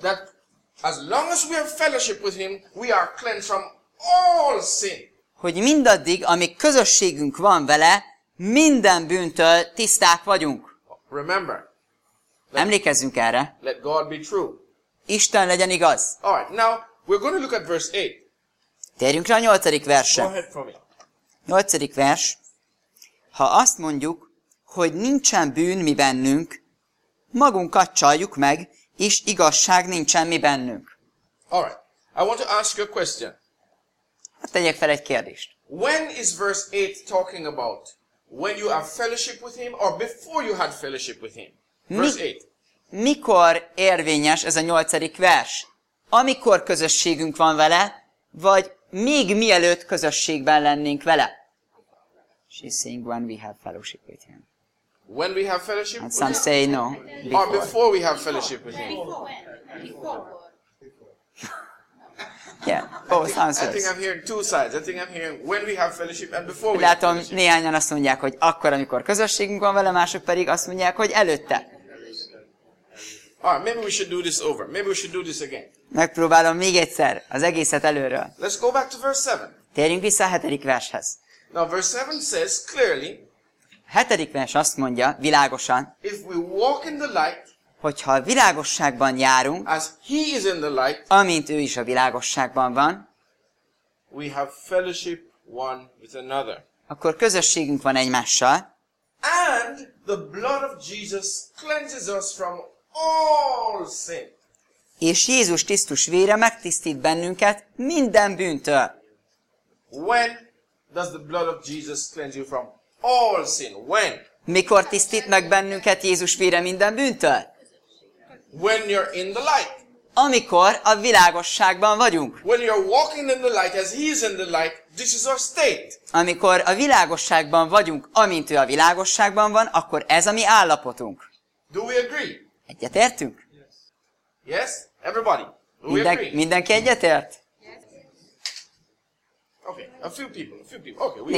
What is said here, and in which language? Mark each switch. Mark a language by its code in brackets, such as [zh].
[en] That as long as we have fellowship with him, we are cleansed from all sin. [hu] Hogy mindaddig, amíg közösségünk van vele, minden bűntől tiszták vagyunk. [en] Remember. [hu] Emlékezzünk erre. [en] Let God be true. [hu] Isten legyen igaz. [en] All right, now we're going to look at verse 8. [hu] Térjünk rá a nyolcadik versre. Nyolcadik vers. Ha azt mondjuk, hogy nincsen bűn mi bennünk, magunkat csaljuk meg, és igazság nincsen mi bennünk. [en] Alright. I want to ask you a question. [hu] Hát tegyek fel egy kérdést. [en] When is verse 8 talking about? When you have fellowship with him, or before you had fellowship with him? Verse 8. [hu] Mikor érvényes ez a nyolcadik vers? Amikor közösségünk van vele, vagy még mielőtt közösségben lennénk vele. [en] She's saying when we have fellowship with him. When we have fellowship with him? And some say no. Before. Or before we have fellowship with him. Before. Yeah. Oh, sounds good. I think I'm hearing two sides. I think I'm hearing when we have fellowship and before we have fellowship. [hu] Látom, néhányan azt mondják, hogy akkor, amikor közösségünk van vele, mások pedig azt mondják, hogy előtte. [en] All right, maybe we should do this over. Maybe we should do this again. [hu] Megpróbálom még egyszer az egészet előről. [en] Let's go back to verse 7. [hu] Térjünk vissza a hetedik vershez. [en] Now verse 7 says clearly. [hu] Hetedik vers azt mondja világosan. [en] If we walk in the light, [hu] hogyha a világosságban járunk, [en] as he is in the light, [hu] amint ő is a világosságban van, [en] we have fellowship one with another. [hu] Akkor közösségünk van egymással. [en] And the blood of Jesus cleanses us from all sin. [hu] És Jézus Krisztus vére megtisztít bennünket minden bűntől. [en] When does the blood of Jesus cleanse you from all sin? When? [hu] Mikor tisztít meg bennünket Jézus vére minden bűntől? [en] When you're in the light. [hu] Amikor a világosságban vagyunk. [en] When you're walking in the light as he is in the light, this is our state. [hu] Amikor a világosságban vagyunk, amint ő a világosságban van, akkor ez a mi állapotunk. [en] Do we agree? [hu] Egyetértünk? [en] Yes, everybody. Do we agree? [hu] Mindenki egyetért? [en] Okay, a few people. Okay, we